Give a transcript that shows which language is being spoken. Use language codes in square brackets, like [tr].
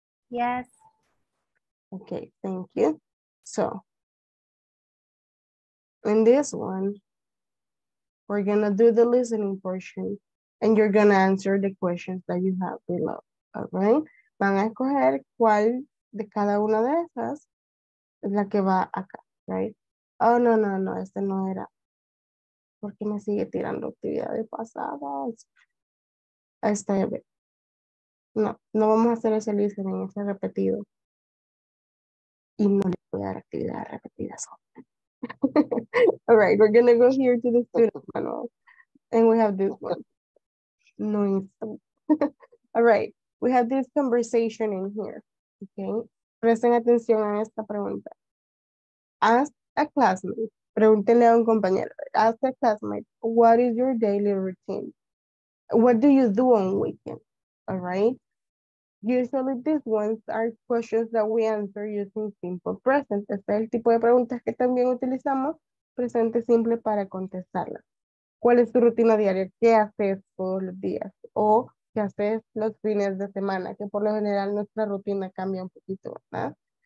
[en] Yes. Okay, thank you. So, in this one, we're gonna do the listening portion and you're gonna answer the questions that you have below, all right? [es] Van a escoger cuál de cada una de esas es la que va acá, right? Oh, no, no, no, este no era. ¿Por qué me sigue tirando actividades pasadas? Este, no, no vamos a hacer ese listening, ese repetido. Y no le voy a dar actividades repetidas. [en] All right, we're going to go here to the student panel. And we have this one. No, all right, we have this conversation in here. [es] Okay, presten atención a esta pregunta. [en] Ask a classmate. [es] Pregúntenle a un compañero. [en] Ask a classmate, what is your daily routine? What do you do on weekend? All right. Usually these ones are questions that we answer using simple present. [es] Este es el tipo de preguntas que también utilizamos, presente simple para contestarlas. ¿Cuál es tu rutina diaria? ¿Qué haces todos los días? ¿O qué haces los fines de semana? Que por lo general nuestra rutina cambia un poquito, ¿verdad?